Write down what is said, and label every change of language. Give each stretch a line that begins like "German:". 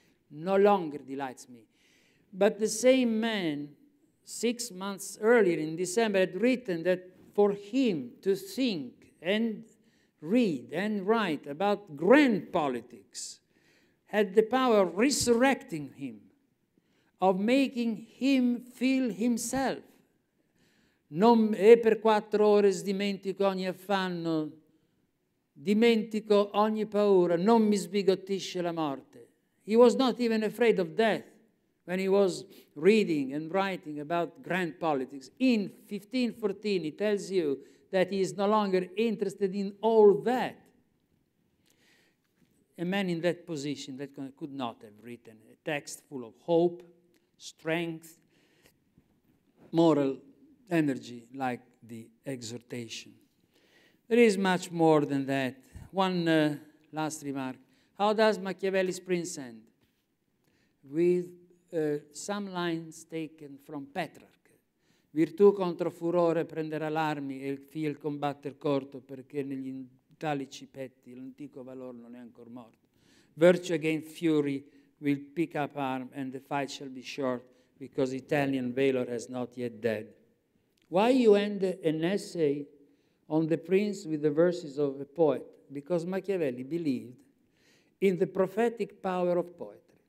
English: No longer delights me. But the same man, 6 months earlier in December, had written that for him to think and read and write about grand politics had the power of resurrecting him, of making him feel himself.
Italian: Non e per quattro ore dimentico ogni affanno, dimentico ogni paura, non mi sbigottisce la morte.
English: He was not even afraid of death when he was reading and writing about grand politics. In 1514, he tells you that he is no longer interested in all that. A man in that position that could not have written a text full of hope, strength, moral energy like the exhortation. There is much more than that One last remark. How does Machiavelli's Prince end? With some lines taken from Petrarch.
Italian: Virtù contro furore prenderà l'armi e il combatter corto perché negli italici petti l'antico valor non è ancora morto.
English: Virtue against fury will pick up arm and the fight shall be short because Italian valor has not yet dead. Why you end an essay on the prince with the verses of a poet? Because Machiavelli believed in the prophetic power of poetry.